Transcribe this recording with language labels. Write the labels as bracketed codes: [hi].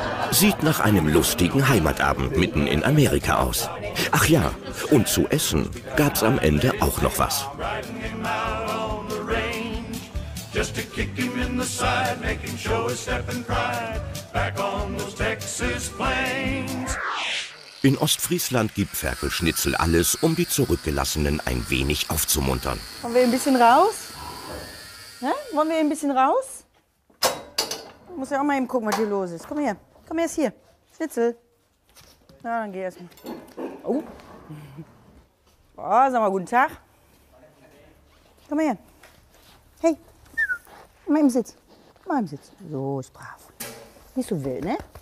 [de] Sieht nach einem lustigen Heimatabend mitten in Amerika aus. Ach ja, und zu essen gab's am Ende auch noch was. [en] just to kick him in the side, make him show his step in pride, back on those Texas plains. [de] In Ostfriesland gibt Ferkelschnitzel alles, um die Zurückgelassenen ein wenig aufzumuntern. Wollen wir ein bisschen raus? Ja? Wollen wir ein bisschen raus? Ich muss ja auch mal eben gucken, was hier los ist. Komm erst hier. Schnitzel. Na, dann geh erst mal. Oh. Oh, sag mal guten Tag. Komm her. Hey. Mal im Sitz. Mal im Sitz. So, ist brav. Nicht so wild, ne?